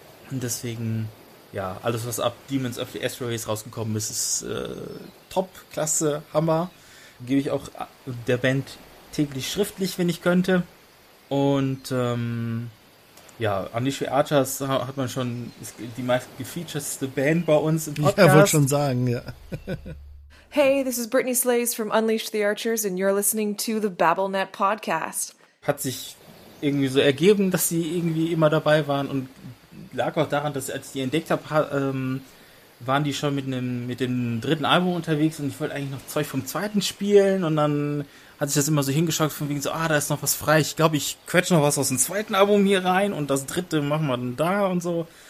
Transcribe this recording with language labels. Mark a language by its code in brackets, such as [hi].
[de] Und deswegen, ja, alles, was ab Demons of the Asteroids rausgekommen ist, ist top, klasse, Hammer. Gebe ich auch der Band täglich schriftlich, wenn ich könnte. Und ja, Unleashed Archers hat man schon, ist die meist gefeaturedste Band bei uns im Podcast. Ja, wollte schon sagen, ja. [en] Hey, this is Britney Slays from Unleashed the Archers and you're listening to the BabbleNet Podcast. [de] Hat sich irgendwie so ergeben, dass sie irgendwie immer dabei waren und lag auch daran, dass als ich die entdeckt habe, waren die schon mit dem dritten Album unterwegs und ich wollte eigentlich noch Zeug vom zweiten spielen und dann hat sich das immer so hingeschaut von wegen so, ah, da ist noch was frei, ich glaube, ich quetsche noch was aus dem zweiten Album hier rein und das dritte machen wir dann da und so.